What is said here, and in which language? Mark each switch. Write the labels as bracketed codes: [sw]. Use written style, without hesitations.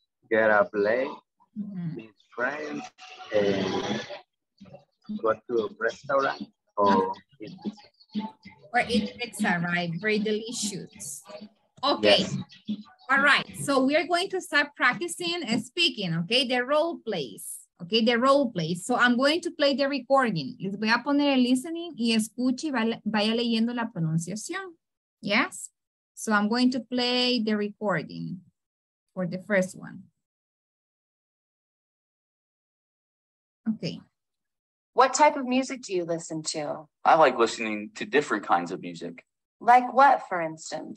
[en] Get a play, meet friends, and go to a restaurant or eat pizza, right? Very delicious. Okay. Yes. All right. So we are going to start practicing and speaking, okay? The role plays. Okay, the role plays. So I'm going to play the recording. [es] Les voy a poner el listening y escuche y vaya leyendo la pronunciación. [en] Yes? So I'm going to play the recording for the first one. Okay. What type of music do you listen to? I like listening to different kinds of music. Like what, for instance?